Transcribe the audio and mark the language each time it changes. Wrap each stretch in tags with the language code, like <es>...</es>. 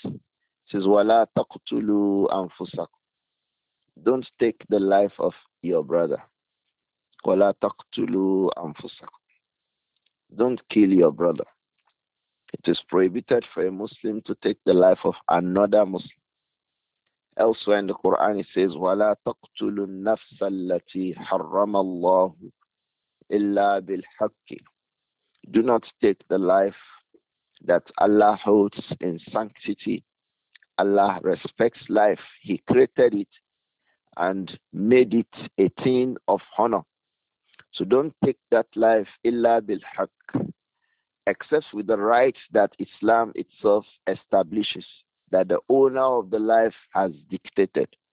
<en>It says,</en> <ar>Wala taqtulu anfusakum.</ar> <en>Don't take the life of your brother.</en> <ar>Wala taqtulu anfusakum.</ar> <en>Don't kill your brother. It is prohibited for a Muslim to take the life of another Muslim. Elsewhere in the Quran, it says,</en> <ar>وَلَا تَقْتُلُ النَّفْسَ الَّتِي حَرَّمَ اللَّهُ إِلَّا بِالْحَقِّ.</ar> <en>Do not take the life that Allah holds in sanctity. Allah respects life. He created it and made it a thing of honor. So don't take that life,</en> <ar>إِلَّا بِالْحَقِّ.</ar> <en>Except with the rights that Islam itself establishes, that the owner of the life has dictated.</en>